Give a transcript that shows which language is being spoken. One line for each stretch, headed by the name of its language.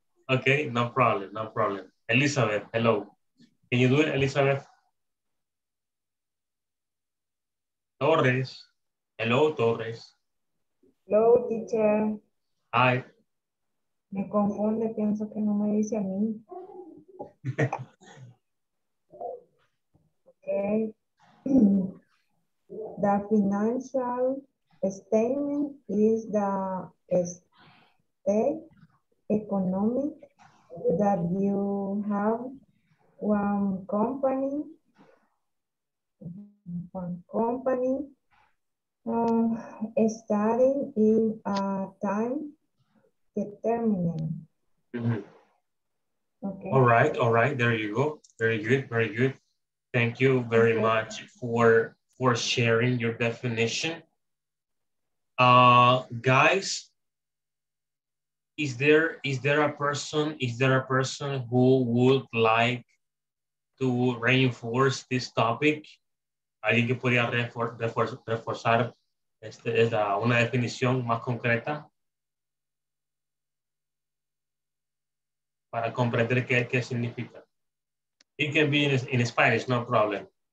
English: Okay, no problem, no problem. Elizabeth, hello. Can you do it, Elizabeth? Torres, hello, Torres. Hello, teacher. Hi.
Spanish: Me confunde, pienso que no me dice a mí.
English: Okay. The financial statement is the state economic that you have one company starting in a time determining. Okay. All right, there you go. Very good. Thank you very much for sharing your definition. Guys, is there a person who would like to reinforce this topic?
Spanish: ¿Alguien que podría reforzar esta una definición más concreta? Para comprender qué significa.
English: It can be in Spanish, no problem.